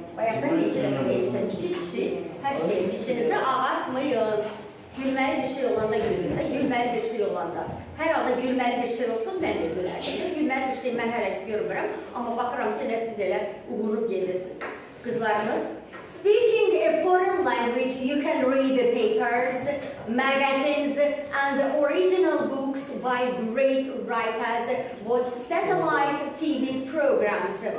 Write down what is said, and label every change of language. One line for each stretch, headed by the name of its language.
Azerbaijani: Bayağıdan geçirin, geçirin, dişi dişi, her şeye dişinizi ağartmayın. Gülməli bir şey olanda gülün, gülməli bir şey olanda. Hər halda gülməli bir şey olsun, mən də gülərim. Gülməli bir şey mən hələ ki görmürəm, amma baxıram ki, nə siz elə uğurub gedirsiniz. Qızlarımız,
English: speaking a foreign language, you can read the papers, magazines, and the original books by great writers, watch satellite TV programs.